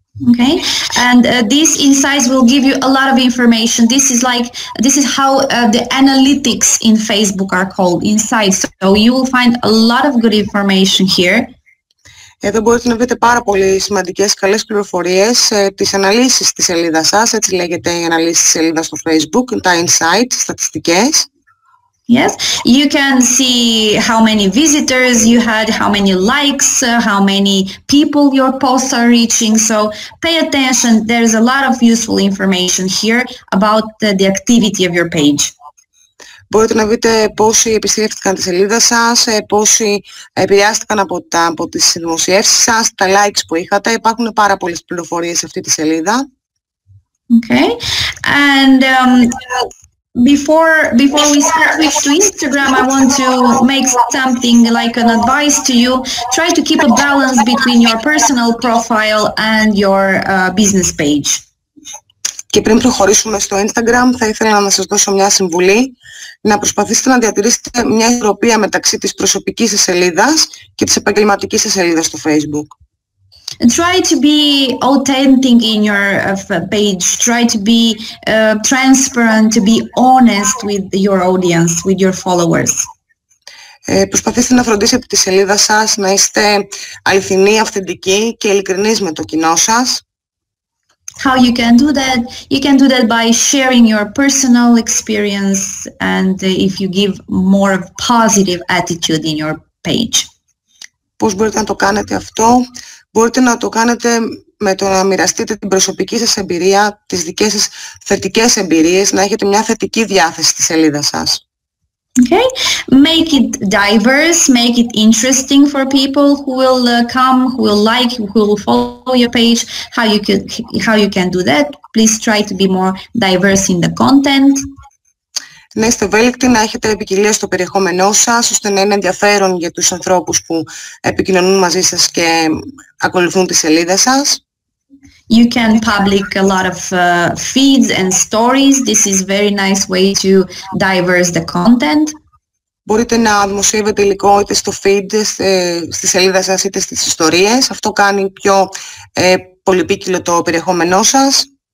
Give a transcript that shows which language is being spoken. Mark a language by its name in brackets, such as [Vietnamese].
[English] Okay, and these insights will give you a lot of information. This is like, this is how the analytics in Facebook are called, insights. So you will find a lot of good information here. [Greek] Εδώ μπορείτε να βρείτε πάρα πολύ σημαντικές, καλές πληροφορίες τις αναλύσεις της σελίδας σας. Έτσι λέγεται η αναλύση της σελίδας στο Facebook, τα insights, στατιστικές. [English] Yes, you can see how many visitors you had, how many likes, how many people your posts are reaching. So pay attention, there's a lot of useful information here about the activity of your page. [Greek] Μπορείτε να δείτε πόσοι επισκέφτηκαν τη σελίδα σας, πόσοι επηρεάστηκαν από τις δημοσιεύσεις σας, τα likes που είχατε. Υπάρχουν πάρα πολλές πληροφορίες σε αυτή τη σελίδα. [English] Okay, and Before we switch to Instagram, I want to make something like an advice to you. Try to keep a balance between your personal profile and your business page. [Greek] Και πριν προχωρήσουμε στο Instagram, θα ήθελα να σας δώσω μια συμβουλή. Να προσπαθήσετε να διατηρήσετε μια ισορροπία μεταξύ της προσωπικής σας σελίδας και της επαγγελματικής σας σελίδας στο Facebook. [English] Try to be authentic in your page. Try to be transparent, to be honest with your audience, with your followers. [Greek] Προσπαθήστε να φροντίσετε τη σελίδα σας να είστε αληθινοί, αυθεντικοί και ειλικρινείς με το κοινό σας. [English] How you can do that? You can do that by sharing your personal experience and if you give more of positive attitude in your page. [Greek] Πώς μπορείτε να το κάνετε αυτό? Μπορείτε να το κάνετε με το να μοιραστείτε την προσωπική σας εμπειρία, τις δικές σας θετικές εμπειρίες, να έχετε μια θετική διάθεση στη σελίδα σας. [English] Okay. Make it diverse, make it interesting for people who will come, who will like, who will follow your page. How you can do that? Please try to be more diverse in the content. [Greek] Να είστε ευέλικτοι, να έχετε ποικιλία στο περιεχόμενό σας, ώστε να είναι ενδιαφέρον για τους ανθρώπους που επικοινωνούν μαζί σας και ακολουθούν τη σελίδα σας. [English] You can public a lot of feeds and stories. This is very nice way to diverse the content. [Greek] Μπορείτε να δημοσιεύετε υλικό είτε στο feed, στη σελίδα σας, είτε στις ιστορίες. Αυτό κάνει πιο πολυπίκυλο το περιεχόμενό σας.